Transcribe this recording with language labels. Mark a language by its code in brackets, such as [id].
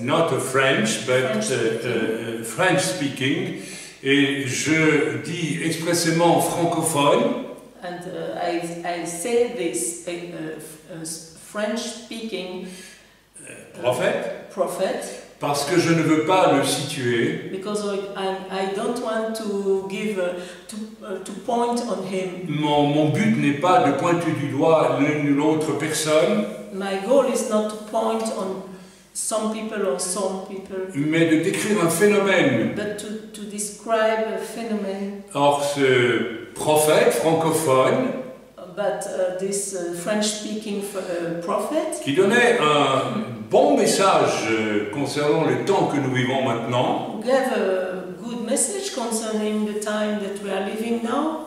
[en] Not a French, but French-speaking. [fr] Et je dis expressément francophone. [en] And I say this, French-speaking prophet. [fr] Parce que je ne veux pas le situer. [en] Because I don't want to give to point on him. [fr] Mon but n'est pas de pointer du doigt l'une ou l'autre personne. [en] My goal is not to point on some people or some people. [fr] Mais de décrire un phénomène. [en] But to describe a phenomenon. [fr] Or ce prophète francophone. [en] But this French-speaking prophet. [fr] Qui donnait un bon message concernant le temps que nous vivons maintenant. [en] Gave a good message concerning the time that we are living now.